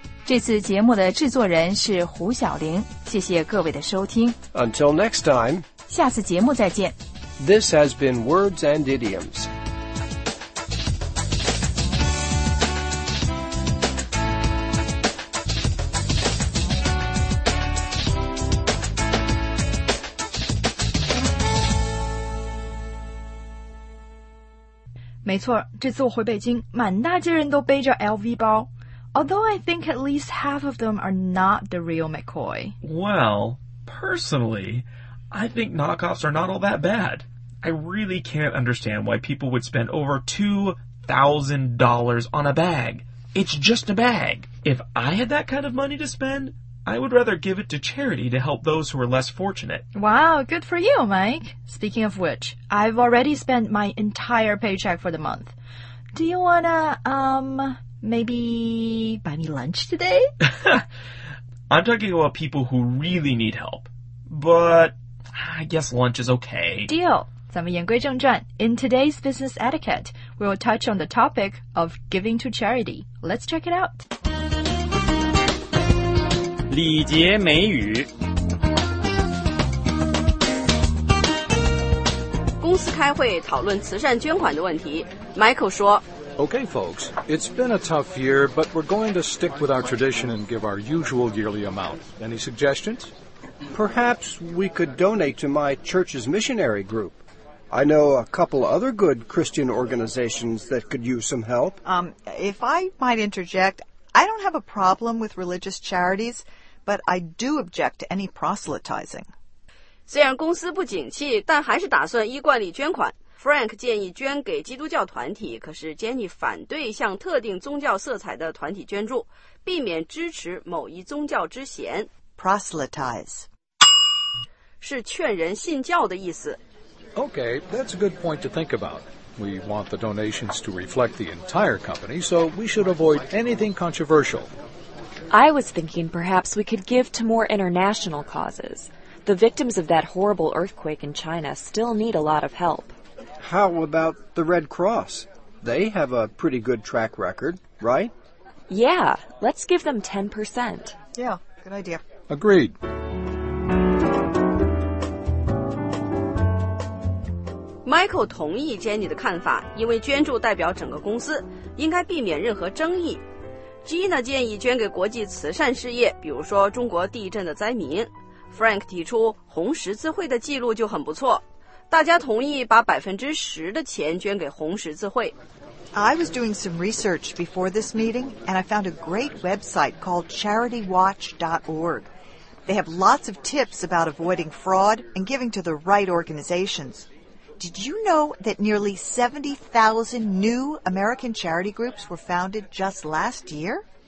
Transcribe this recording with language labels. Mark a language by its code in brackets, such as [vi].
[zh] 这次节目的制作人是胡晓玲，谢谢各位的收听。 [en] Until next time， [zh] 下次节目再见。 [en] This has been Words and Idioms. Me too. [zh] 这次我回北京，满大街人都背着 LV 包。 [en] Although I think at least half of them are not the real McCoy. Well, personally... I think knockoffs are not all that bad. I really can't understand why people would spend over $2,000 on a bag. It's just a bag. If I had that kind of money to spend, I would rather give it to charity to help those who are less fortunate. Wow, good for you, Mike. Speaking of which, I've already spent my entire paycheck for the month. Do you wanna, maybe buy me lunch today? I'm talking about people who really need help. But... I guess lunch is okay. Deal. [zh] 咱们言归正传。 [en] In today's business etiquette, we'll touch on the topic of giving to charity. Let's check it out. [zh] 礼节美语。公司开会讨论慈善捐款的问题。 Michael 说 [en] Okay, folks. It's been a tough year, but we're going to stick with our tradition and give our usual yearly amount. Any suggestions? Perhaps we could donate to my church's missionary group. I know a couple other good Christian organizations that could use some help. If I might interject, I don't have a problem with religious charities, but I do object to any proselytizing. [zh] 虽然公司不景气，但还是打算依惯例捐款。 Frank 建议捐给基督教团体，可是 Jenny 反对向特定宗教色彩的团体捐助，避免支持某一宗教之嫌。 [en] Proselytize [zh] 是劝人信教的意思。 [en] Okay, that's a good point to think about. We want the donations to reflect the entire company, so we should avoid anything controversial. I was thinking perhaps we could give to more international causes. The victims of that horrible earthquake in China still need a lot of help. How about the Red Cross? They have a pretty good track record, right? Yeah, let's give them 10%. Yeah, good idea. Agreed. [zh] Michael 同意 Jenny 的看法，因为捐助代表整个公司，应该避免任何争议。 Gina 建议捐给国际慈善事业，比如说中国地震的灾民。 Frank 提出红十字会的记录就很不错，大家同意把10%的钱捐给红十字会。 [en] I was doing some research before this meeting, and I found a great website called CharityWatch.org. They have lots of tips about avoiding fraud and giving to the right organizations. Did you know that nearly 70,000 new American charity groups were founded just last year?